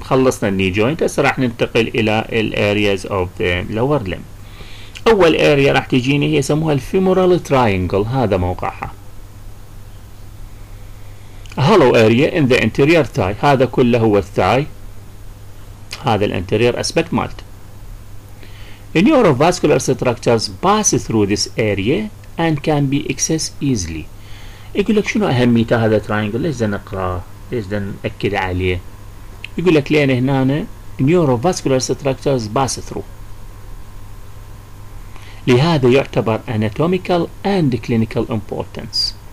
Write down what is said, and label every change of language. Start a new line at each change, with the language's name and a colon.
Arabic: خلصنا الني جوينت، هسه راح ننتقل الى الارياز اوف ذا لور لم. اول اريا راح تجيني هي يسموها الفيمورال تراينجل، هذا موقعها
English: hollow area in the anterior thigh,
Arabic: هذا كله هو الثاي، هذا الانتيرير اسبكت مالت.
English: Neurovascular structures pass through this area and can be accessed easily.
Arabic: يقول لك شنو اهميته هذا تراينجل؟ ليش بدنا نقراه؟ ليش بدنا ناكد عليه؟ يقول لك لان هنا
English: Neurovascular structures pass through.
Arabic: لهذا يعتبر
English: anatomical and clinical importance.